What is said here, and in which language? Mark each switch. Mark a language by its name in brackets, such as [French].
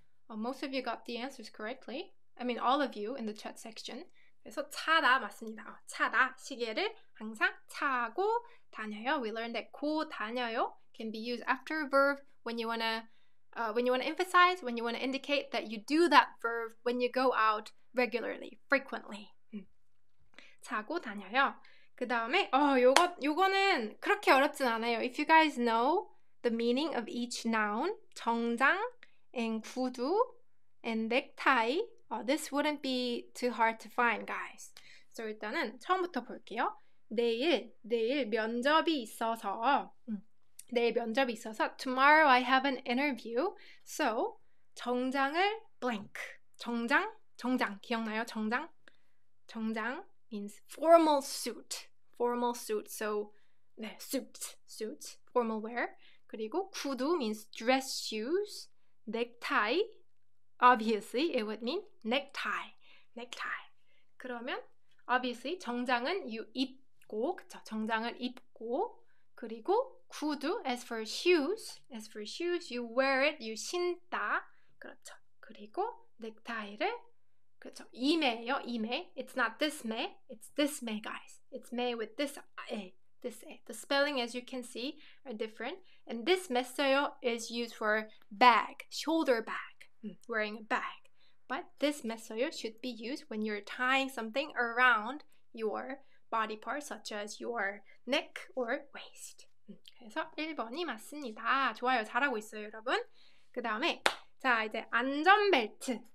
[English] Oh, most of you got the answers correctly. I mean, all of you in the chat section. [Korean] 그래서 차다 맞습니다. 차다. 시계를 항상 차고 다녀요. [English] We learned that 고 다녀요 can be used after a verb when you wanna emphasize, when you wanna indicate that you do that verb when you go out regularly, frequently. [Korean] 차고 다녀요. 그 다음에 요거는 그렇게 어렵진 않아요. [English] If you guys know, the meaning of each noun, 정장 and 구두 and necktie. Oh, this wouldn't be too hard to find, guys. [Korean] So 일단은 처음부터 볼게요. 내일 면접이 있어서. 내일 면접이 있어서 [English] tomorrow I have an interview. [Korean] So 정장을 blank. 정장 기억나요? [English] 정장 means formal suit. Formal suit. So [Korean] 네, [English] suit, formal wear. [Korean] 그리고 [English] 구두 means dress shoes. Necktie. Obviously, it would mean necktie. [Korean] 그러면 [English] obviously 정장은 you [Korean] 입고, 그쵸? 정장을 입고 그리고 [English] 구두 as for shoes, you wear it, you 신다, [Korean] 그렇죠? 그리고 넥타이를 그렇죠? 이매예요, 이매. [English] It's not this May, it's this May, guys. It's May with this A, this A. The spelling, as you can see, are different. And this 매써요 is used for bag, shoulder bag. Wearing a bag. But this 매써요 should be used when you're tying something around your body part, such as your neck or waist. [Korean] 그래서 1번이 맞습니다. 좋아요. 잘하고 있어요, 여러분. 그 다음에, 자, 이제 안전벨트.